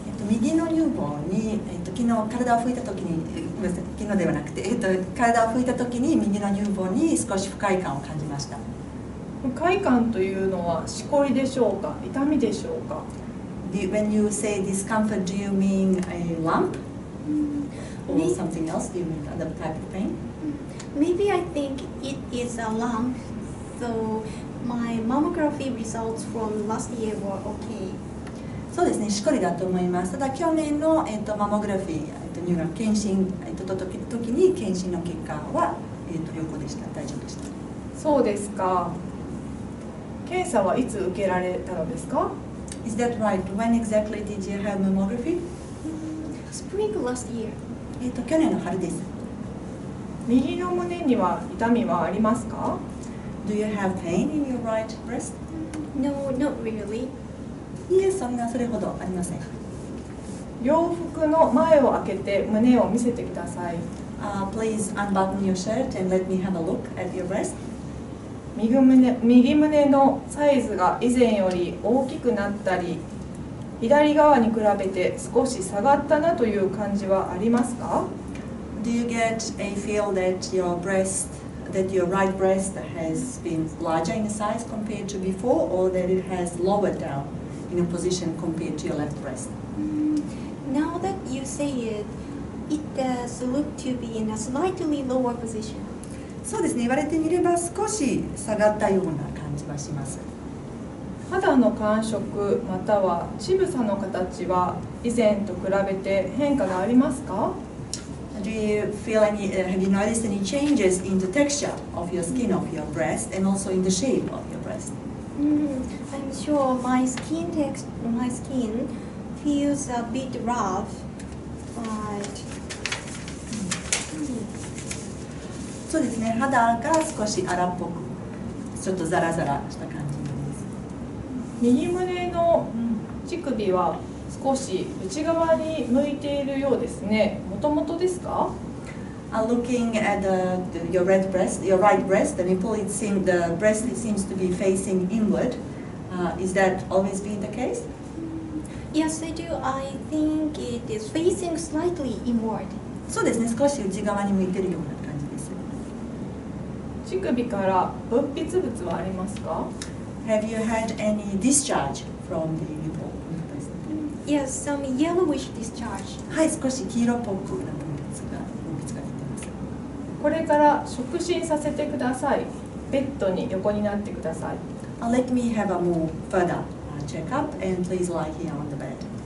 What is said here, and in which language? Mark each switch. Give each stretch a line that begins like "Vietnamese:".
Japanese: 右の乳房に、昨日体を拭いた時に、ごめんなさい、昨日ではなくて、体を拭いた時に右の乳房に少し不快感を感じました。不快感というのはしこりでしょうか、痛みでしょうか。
English: When you say discomfort, do you mean a lump? Or something else? Do you mean another type of pain? Maybe I think it is a lump, so... My mammography results from last year were okay.
Japanese: そうですね、しこりだと思います。ただ去年の、マンモグラフィー、乳がん検診、時に検診の結果は、良好でした。大丈夫でした。そうですか。検査はいつ受けられたのですか?
English: Is that right? When exactly did you have mammography? Spring last year.
Japanese: 去年の春です。右の胸には痛みはありますか?
English: Do you have pain in your right breast? No, not really.
Japanese: Yes, そんなそれほどありません。洋服の前を開けて胸を見せてください。
English: Please unbutton your shirt and let me have a look at your breast.
Japanese: 右胸のサイズが以前より大きくなったり、左側に比べて少し下がったなという感じはありますか?
English: Do you get a feel that your breastthat your right breast has been larger in size compared to before or that it has lowered down in a position compared to your left breast? Now that you say it, it does look to be in a slightly lower position.
Japanese: そうですね、言われてみれば少し下がったような感じはします。肌の感触または乳房の形は以前と比べて変化がありますか?
English: Do you feel any, have you noticed any changes in the texture of your skin, of your breast, and also in the shape of your breast? I'm sure my skin feels a bit rough, but...
Japanese: そうですね、肌が少し荒っぽく、ちょっとザラザラした感じです。右胸の乳首は、少し内側に向いているようですね。もともとですか?
English: Looking at your right breast, the nipple, the breast seems to be facing inward. Is that always been the case? Yes, I do. I think it is facing slightly inward.
Japanese: そうですね。少し内側に向いているような感じです。乳首から分泌物はありますか?
English: Have you had any discharge from the nipple? Yes, some yellowish discharge.
Japanese: はい、少し黄色っぽくなった分泌が出ています。これから触診させてください。ベッドに横になってください。
English: Let me have a more further checkup and please lie here on the bed.